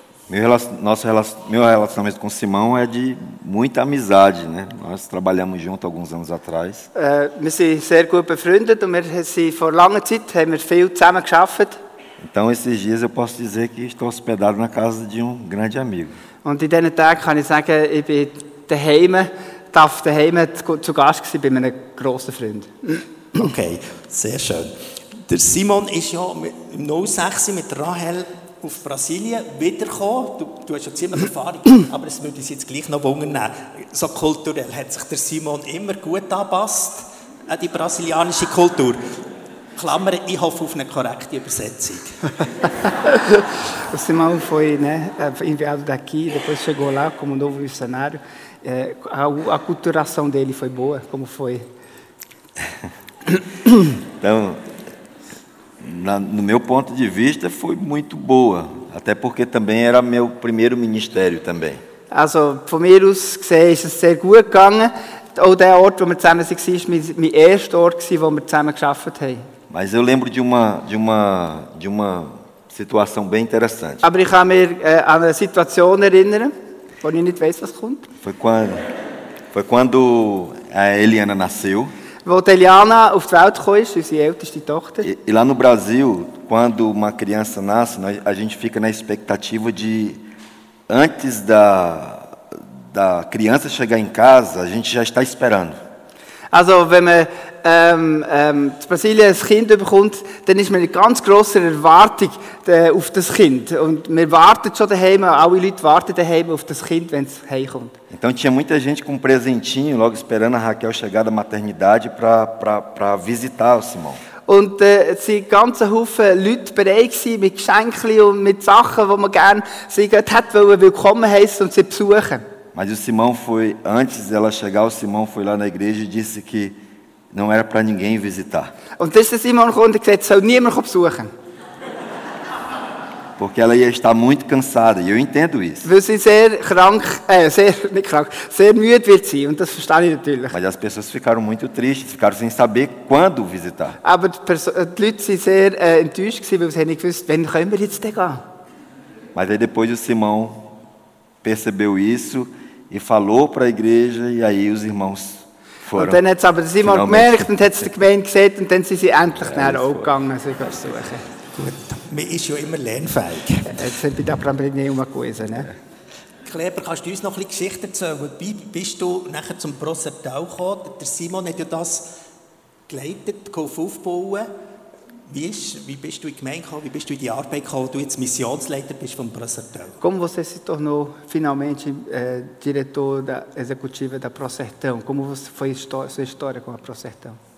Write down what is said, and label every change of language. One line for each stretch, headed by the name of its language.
Portuguese: Meu relacionamento com Simão é de muita amizade, né? Nós trabalhamos juntos alguns anos atrás.
German: Wir sind sehr gut befreundet und wir sind vor langer Zeit haben wir viel zusammen geschafft.
Portuguese: Então esses dias eu posso dizer que estou hospedado na casa de um grande amigo.
German: Und in diesen Tagen kann ich sagen, ich bin daheim, darf daheim zu Gast sein bei einem grossen Freund. Okay, sehr schön. Der Simon ist ja im 06 mit Rahel auf Brasilien wiedergekommen. Du hast ja ziemlich Erfahrung, aber es würde uns jetzt gleich noch wundern. So kulturell hat sich der Simon immer gut angepasst an die brasilianische Kultur. Klammer, ich hoffe auf eine korrekte Übersetzung.
Portuguese: O Simão foi, né, enviado daqui, depois chegou lá como novo missionário. A culturação dele foi boa, como foi? Então, no meu ponto de vista, foi muito boa, até porque também era meu primeiro ministério também.
German: Also, von mir aus gesehen, ist es sehr gut gegangen. Auch der Ort, wo wir zusammen waren, war mein erster Ort, wo wir zusammen gearbeitet haben.
Portuguese: Mas eu lembro de uma situação bem interessante.
German: Aber ich kann mich an eine Situation erinnern, wo ich nicht weiß, was kommt.
Portuguese: Foi quando a Eliana nasceu.
German: Wo die Eliana auf die Welt gekommen ist, unsere älteste Tochter.
Portuguese: E lá no Brasil, quando uma criança nasce, a gente fica na expectativa de antes da criança chegar em casa, a gente já está esperando.
German: Also, wenn man in Brasilien ein Kind bekommt, dann ist man eine ganz grosse Erwartung auf das Kind. Und wir warten schon daheim, alle Leute warten daheim auf das Kind, wenn es heimkommt.
Portuguese: Então tinha muita gente com presentinho, logo esperando a Raquel chegar da maternidade para visitar o Simão.
German: Und es waren ganz viele Leute bereit gewesen, mit Geschenken und mit Sachen, die man gerne willkommen heissen und sie besuchen.
Portuguese: Mas o Simão foi, antes dela chegar, o Simão foi lá na igreja e disse que não era para ninguém visitar.
German: Und ist der Simon gekommen und gesagt, soll niemand besuchen.
Portuguese: Porque ela ia estar muito cansada, e eu entendo isso.
German: Weil sie sehr krank, sehr müde wird sein, und das verstehe ich natürlich.
Portuguese: Mas as pessoas ficaram muito tristes, ficaram sem saber quando visitar.
German: Aber die Leute sind sehr enttäuscht gewesen, weil sie nicht wussten, wann können wir jetzt gehen.
Portuguese: Mas aí depois o Simão percebeu isso e falou para a igreja e aí os irmãos foram.
German: Und dann hat es aber der Simon gemerkt und hat es der Gemeinde gesehen und dann sind sie endlich nach Hause gegangen, so etwas zu suchen. Gut, man ist ja immer lernfähig. Jetzt sind wir aber nicht immer gewesen. Ne? Kleber, kannst du uns noch ein bisschen Geschichte erzählen? Wie bist du nachher zum Prosertal gekommen? Der Simon hat ja das geleitet, geholfen aufbauen. Wie bist du in die Gemeinde gekommen? Wie bist du in die Arbeit gekommen, du jetzt Missionsleiter bist vom Prosertal?
Portuguese: Como você se tornou finalmente diretor da executiva da Prosertão? Como foi a sua história com a Prosertão?